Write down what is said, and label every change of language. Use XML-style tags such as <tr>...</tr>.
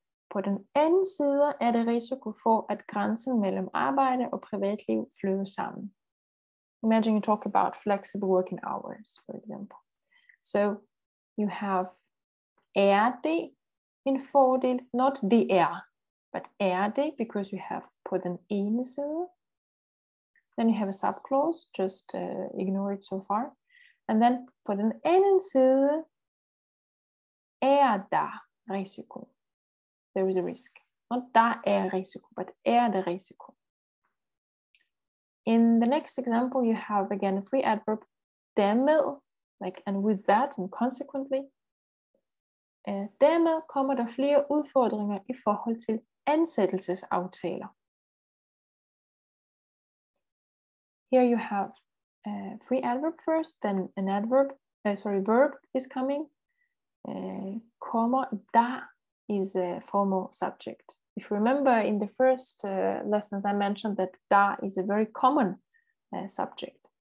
<da>På den anden side er det risiko for, at grænsen mellem arbejde og privatliv flyder sammen.</da> <en>Imagine you talk about flexible working hours, for example. So you have,</en> <da>er det en fordel?</da> <en>Not det er, but er det, because you have</en> <da>på den ene side.</da> <en>Then you have a subclause, just ignore it so far. And then</en> <da>på den anden side, er der risiko?</da> <en>There is a risk. Not der er risiko, but</en> <da>er der risiko?</da> <en>In the next example, you have again a free adverb, dermed, like, and with that and consequently.</en> <da>Dermed kommer der flere udfordringer I forhold til ansættelsesaftaler.</da> <en>Here you have a free adverb first, then an adverb, verb is coming. Kommer der is a formal subject. If you remember in the first lessons, I mentioned that da is a very common subject.</en>